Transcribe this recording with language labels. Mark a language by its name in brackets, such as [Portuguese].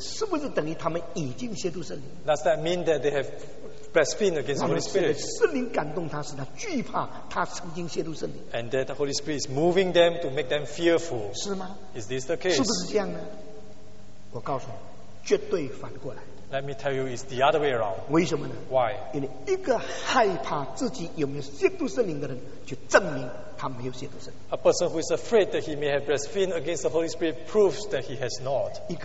[Chinese] 是不是等于他们已经亵渎圣灵? [English] Does that mean that they have blasphemed against the Holy Spirit? [Chinese] 圣灵感动他，使他惧怕，他曾经亵渎圣灵。 [English] And that the Holy Spirit is moving them to make them fearful. [Chinese] 是吗? [English] Is this the case? [Chinese] 是不是这样呢?我告诉你，绝对反过来。 [English] Let me tell you, it's the other way around. [Chinese] 为什么呢? [English] Why? [Chinese] 因为一个害怕自己有没有亵渎圣灵的人，就证明他没有亵渎圣灵。 [English] A person who is afraid that he may have blasphemed against the Holy Spirit proves that he has not.